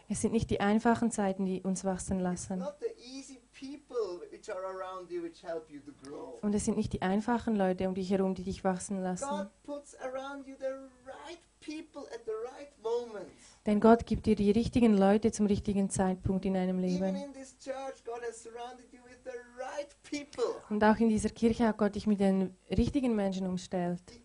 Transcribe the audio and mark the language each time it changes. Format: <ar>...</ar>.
<de>Es sind nicht die einfachen Zeiten, die uns wachsen lassen. Und es sind nicht die einfachen Leute um dich herum, die dich wachsen lassen.</de> <en>God puts around you the right people at the right moment.</en> <de>Denn Gott gibt dir die richtigen Leute zum richtigen Zeitpunkt in deinem Leben.</de> <en>Even in this church, God has surrounded you with the right people.</en> <de>Und auch in dieser Kirche hat Gott dich mit den richtigen Menschen umstellt.</de>